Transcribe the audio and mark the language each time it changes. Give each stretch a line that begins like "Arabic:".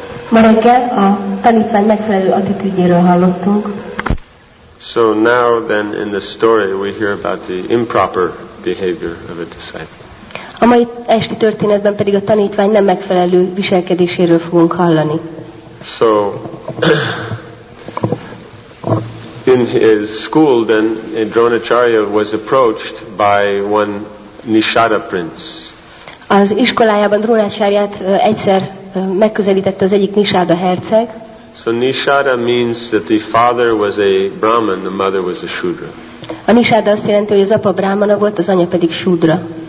Hungarian: Ma reggel a tanítvány megfelelő attitűdjéről hallottunk.
English: So now then in the story we hear about the improper behavior of a disciple.
Hungarian: A mai esti történetben pedig a tanítvány nem megfelelő viselkedéséről fogunk hallani.
English: So in his school then Dronacharya was approached by one Nishada prince.
Hungarian: Az iskolájában Dronacharyát egyszer megközelítette az egyik Nishada herceg.
English: So Nishada means that the father was a Brahman, the mother was a Shudra.
Hungarian: A Nishada azt jelenti, hogy az apa Brahmana volt, az anya pedig Shudra.